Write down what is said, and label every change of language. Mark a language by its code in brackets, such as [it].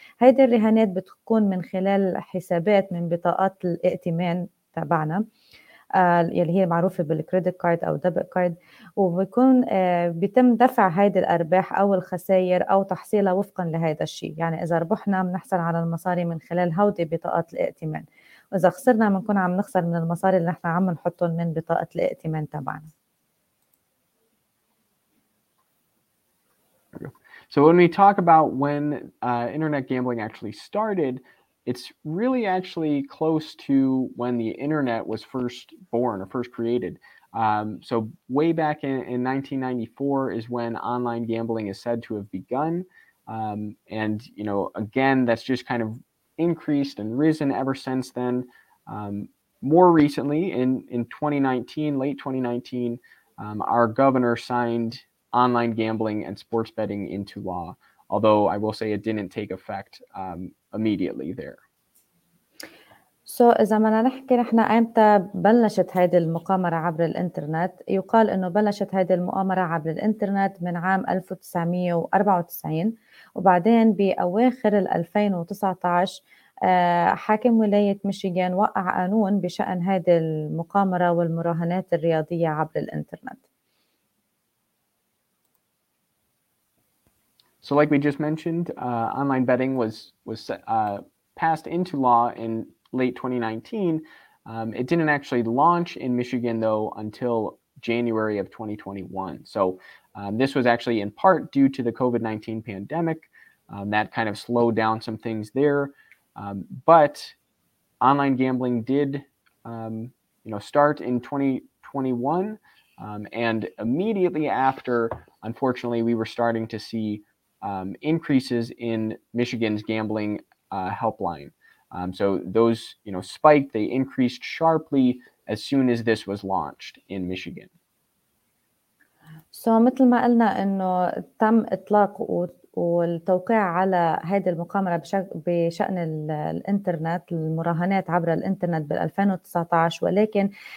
[ar] هيدا الرهانات بتكون من خلال حسابات من بطاقات الائتمان تبعنا يلي هي معروفة بالكريدت كارد أو دبت كارد، وبيكون بيتم دفع هيدا الأرباح أو الخسائر أو تحصيلها وفقا لهيدا الشيء. يعني إذا ربحنا بنحصل على المصاري من خلال هودي بطاقات الائتمان، إذا خسرنا بنكون عم نخسر من المصاري اللي احنا عم نحطهم من بطاقة الائتمان تبعنا. [en] So when we talk about when internet gambling actually started, it's really actually close to when the internet was first born or first created. So way back in 1994 is when online gambling is said to have begun. And, you know, again, that's just kind of increased and risen ever since then. More recently in 2019, late 2019, our governor signed online gambling and sports betting into law, although I will say it didn't take effect immediately there. So [ar] إذا ما نحكي نحن أمتى بلشت هذه المقامرة عبر الإنترنت، يقال إنه بلشت هذه المقامرة عبر الإنترنت من عام 1994، وبعدين بأواخر 2019 حاكم ولاية ميشيغان وقع قانون بشأن هذه المقامرة والمراهنات الرياضية عبر الإنترنت. [en] So like we just mentioned, online betting was passed into law in late 2019. It didn't actually launch in Michigan, though, until January of 2021. So this was actually in part due to the COVID-19 pandemic. That kind of slowed down some things there. But online gambling did start in 2021. And immediately after, unfortunately, we were starting to see increases in Michigan's gambling helpline. So those, you know, spiked, they increased sharply as soon as this was launched in Michigan. So [ar] مثل ما قلنا انه تم اطلاق والتوقيع على هذه المقامرة بشأن الانترنت المراهنات عبر الانترنت بال 2019، ولكن